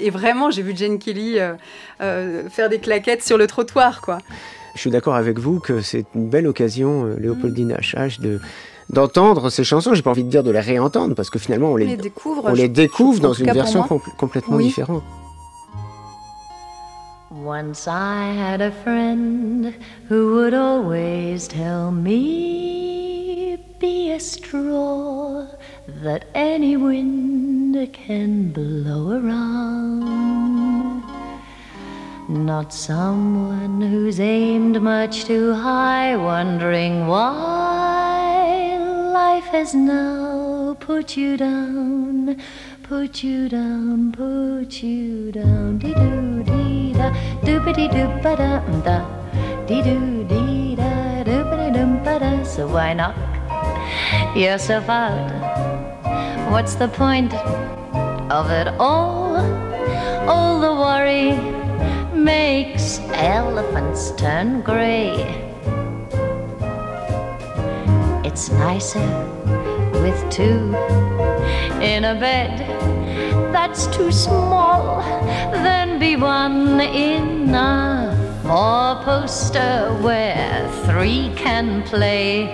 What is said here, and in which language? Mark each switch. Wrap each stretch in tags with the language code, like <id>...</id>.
<fr>Et vraiment, j'ai vu Jane Kelly faire des claquettes sur le trottoir, quoi. Je suis d'accord avec vous que c'est une belle occasion, Léopoldine HH, d'entendre ces chansons. J'ai pas envie de dire de les réentendre, parce que finalement, on les découvre dans une version complètement différente.</fr> <en>Once I had a friend who would always tell me be a straw that any wind can blow around. Not someone who's aimed much too high, wondering why life has now put you down, put you down, put you down. Dee doo dee da, doopity doop ba da da, dee doo dee da, doopity doop ba da. So why not? Yourself out. What's the point of it all? All the worry makes elephants turn grey. It's nicer with two in a bed that's too small than be one in a four-poster where three can play.</en>